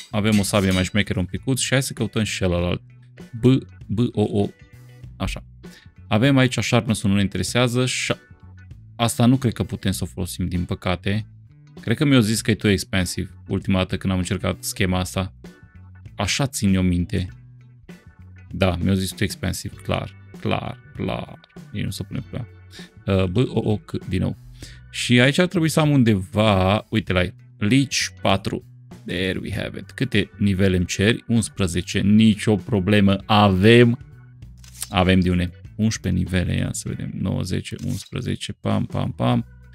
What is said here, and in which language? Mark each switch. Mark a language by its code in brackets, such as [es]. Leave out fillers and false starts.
[ro] Avem o sabie mai șmecheră un picuț. Și hai să căutăm și celălalt. B, B, O, O. Așa. Avem aici sharpness-ul, nu ne interesează. Asta nu cred că putem să o folosim, din păcate. Cred că mi-au zis că e [en] too expensive [ro] ultima dată când am încercat schema asta. Așa țin eu minte. Da, mi-au zis [en] too expensive, [ro] clar, clar, clar. Ei nu se pune prea. B, O, O, C, din nou. Și aici ar trebui să am undeva, uite la leech 4. [en] There we have it. [ro] Câte nivele îmi ceri? 11. Nicio problemă. Avem de une 11 nivele, ia să vedem, 9, 10, 11, pam, pam, pam.